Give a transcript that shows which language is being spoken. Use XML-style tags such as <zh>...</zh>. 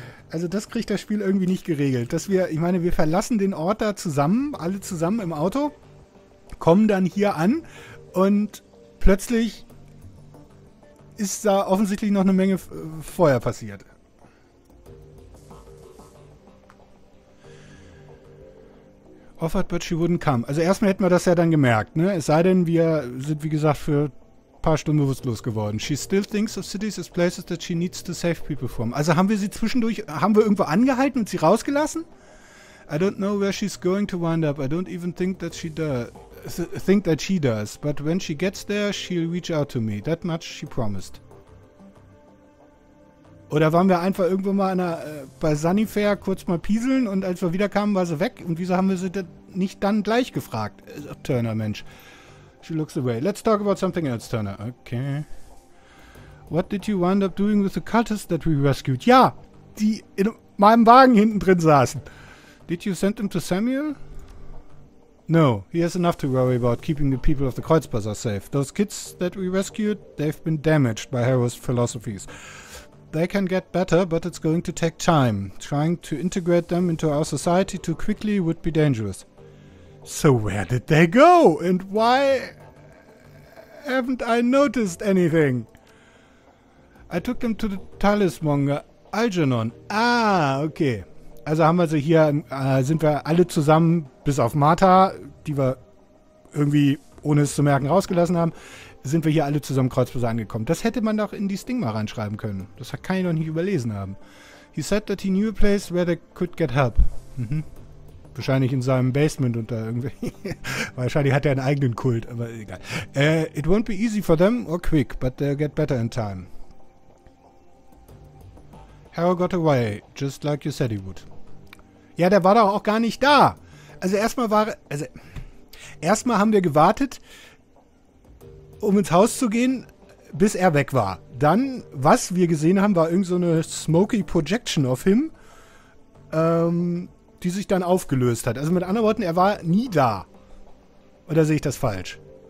<de>Also das kriegt das Spiel irgendwie nicht geregelt. Dass wir, ich meine, wir verlassen den Ort da zusammen, alle zusammen im Auto, kommen dann hier an und plötzlich ist da offensichtlich noch eine Menge Feuer passiert.</de> <en>Offered, but she wouldn't come.</en> <de>Also erstmal hätten wir das ja dann gemerkt, ne? Es sei denn, wir sind, wie gesagt, für ein paar Stunden bewusstlos geworden.</de> <en>She still thinks of cities as places that she needs to save people from.</en> <de>Also haben wir sie zwischendurch, haben wir irgendwo angehalten und sie rausgelassen?</de> <en>I don't know where she's going to wind up. I don't even think that she does. But when she gets there, she'll reach out to me. That much she promised.</en> <de>Oder waren wir einfach irgendwo mal bei Sunnyfair kurz mal pieseln und als wir wiederkamen, war sie weg? Und wieso haben wir sie nicht dann gleich gefragt?</de> <en>Turner,</en> <de>Mensch.</de> <en>She looks away. Let's talk about something else, Turner. Okay. What did you wind up doing with the cultists that we rescued?</en> <de>Ja, die in meinem Wagen hinten drin saßen.</de> <en>Did you send them to Samuel? No, he has enough to worry about keeping the people of the Kreuzbazar safe. Those kids that we rescued, they've been damaged by Harrow's philosophies. They can get better, but it's going to take time. Trying to integrate them into our society too quickly would be dangerous. So where did they go? And why haven't I noticed anything? I took them to the Talismonger Algernon. Ah, okay.</en> <de>Also haben wir sie hier, sind wir alle zusammen, bis auf Martha, die wir irgendwie, ohne es zu merken, rausgelassen haben, sind wir hier alle zusammen Kreuzbusse angekommen. Das hätte man doch in dieses Ding mal reinschreiben können. Das kann ich noch nicht überlesen haben.</de> <en>He said that he knew a place where they could get help.</en> <de>Wahrscheinlich in seinem Basement und da irgendwie. Wahrscheinlich hat er einen eigenen Kult, aber egal.</de> <en>It won't be easy for them or quick, but they'll get better in time. Harrow got away, just like you said he would.</en> <de>Ja, der war doch auch gar nicht da. Erstmal haben wir gewartet, um ins Haus zu gehen, bis er weg war. Dann, was wir gesehen haben, war irgend so eine</de> <en>smoky projection of him.</en> <de>Die sich dann aufgelöst hat. Also mit anderen Worten, er war nie da. Oder sehe ich das falsch?</de>